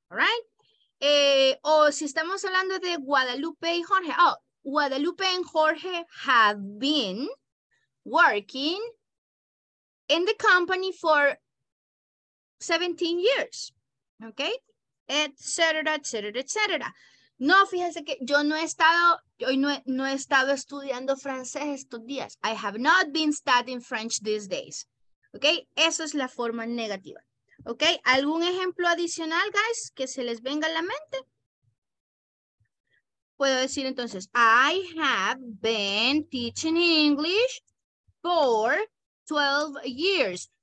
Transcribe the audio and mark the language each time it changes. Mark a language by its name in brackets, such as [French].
[English] All right? [Spanish] O si estamos hablando de Guadalupe y Jorge. [English] Oh, Guadalupe and Jorge have been working in the company for 17 years. [Spanish] Okay? Etcétera, etcétera, etcétera. No, fíjense que yo no he estado, hoy no he estado estudiando francés estos días. [English] I have not been studying French these days. [Spanish] Okay? Esa es la forma negativa. Okay? ¿Algún ejemplo adicional, guys, que se les venga a la mente? Puedo decir entonces, [English] I have been teaching English for 12 years.